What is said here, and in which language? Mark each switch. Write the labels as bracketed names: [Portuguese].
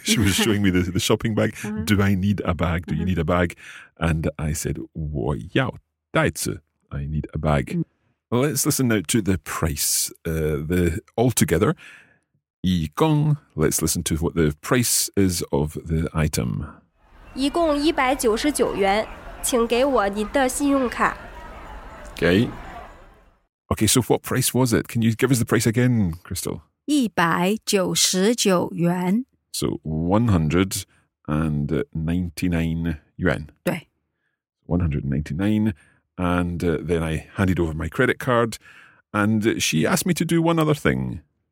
[English] She was showing me the shopping bag. Do I need a bag? Do you need a bag? And I said, [Chinese] 我要袋子. [English] I need a bag. Well, let's listen now to the price. The altogether, 一共, let's listen to what the price is of the item. [Chinese] 一共199元, 请给我您的信用卡. [English] Okay. Okay, so what price was it? Can you give us the price again, Crystal? [Chinese] 199元. [English] So 199 yuan. [Chinese] 对. [English] 199, and then I handed over my credit card, and she asked me to do one other thing.